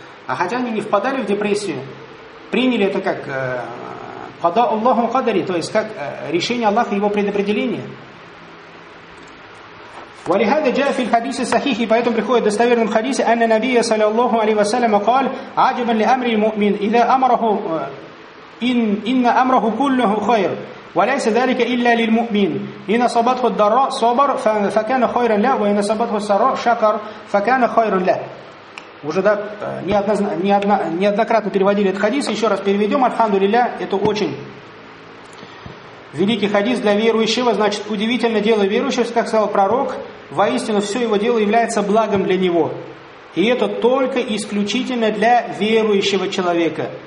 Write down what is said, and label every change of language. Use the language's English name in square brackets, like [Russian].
[Russian] А хотя они не впадали в депрессию, приняли это как [Arabic] «када Аллаху кадари», [Russian] то есть как решение Аллаха и его предопределение. [Arabic] «Валихада джа фил хадисе сахихи», [Russian] поэтому приходит в достоверном хадисе [Arabic] «Анна Набия саляллаху алейхи вассаляма кал аджабан ли амри му'мин, иза амраху, инна амраху куллюху хайр». وليس ذلك إلا للمؤمن إن صبته الضراء صبر فكان خيرا له وإن صبته السراء شكر فكان خيرا له. [Russian] Уже, да, неоднократно переводили этот хадис. Еще раз переведем. Альхамдулилля, это очень великий хадис для верующего. Значит, удивительно дело верующего, как сказал пророк, воистину все его дело является благом для него. И это только исключительно для верующего человека.